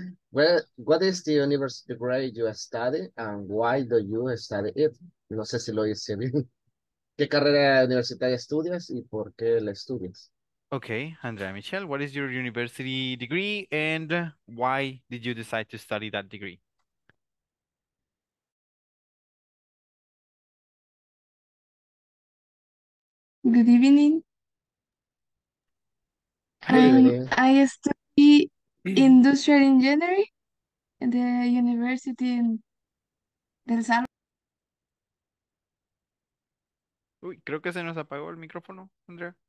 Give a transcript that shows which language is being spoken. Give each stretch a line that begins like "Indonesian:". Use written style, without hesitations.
English: Well, what is the university degree you study and why do you study it?
Spanish: No sé si lo hice bien. ¿Qué carrera universitaria estudias y por qué la estudias?
English: Okay, Andrea Michelle, what is your university degree and why did you decide to study that degree? Good evening. Good evening. I study industrial engineering at the university in El Salvador.
Spanish: Uy, creo que se nos apagó el micrófono, Andrea.